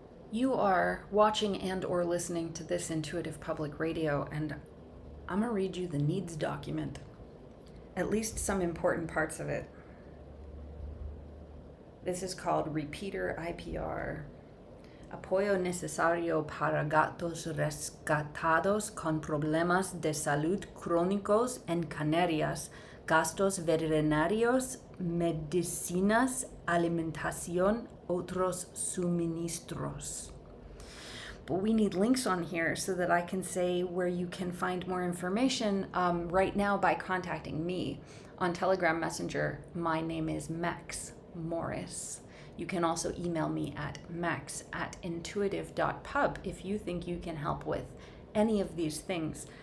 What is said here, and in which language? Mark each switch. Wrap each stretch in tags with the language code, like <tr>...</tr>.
<en>you are watching and or listening to this Intuitive Public Radio, and I'm gonna read you the needs document, at least some important parts of it. This is called Repeater IPR.</en> <es>Apoyo necesario para gatos rescatados con problemas de salud crónicos en Canarias, gastos veterinarios, medicinas, alimentación, otros suministros.</es> <en>But we need links on here so that I can say where you can find more information right now by contacting me on Telegram Messenger. My name is Max Morris. You can also email me at max@intuitive.pub if you think you can help with any of these things.</en>